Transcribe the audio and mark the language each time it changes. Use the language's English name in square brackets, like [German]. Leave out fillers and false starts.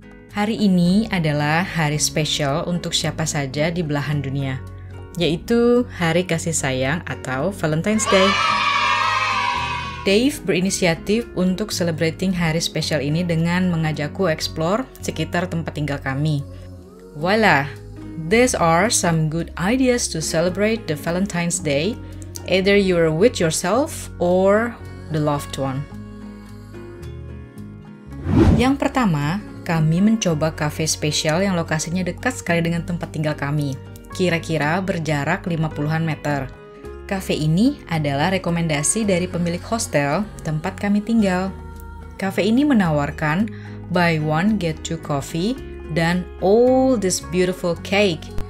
[Indonesian] Hari ini adalah hari spesial untuk siapa saja di belahan dunia, yaitu Hari Kasih Sayang atau Valentine's Day. Dave berinisiatif untuk celebrating hari spesial ini dengan mengajakku explore sekitar tempat tinggal kami. [French] Voila! [English] These are some good ideas to celebrate the Valentine's Day, either you're with yourself or the loved one. [Indonesian] Yang pertama, kami mencoba kafe spesial yang lokasinya dekat sekali dengan tempat tinggal kami, kira-kira berjarak 50-an meter. Kafe ini adalah rekomendasi dari pemilik hostel tempat kami tinggal. Kafe ini menawarkan [English] buy one get two coffee [Indonesian] dan [English] all this beautiful cake.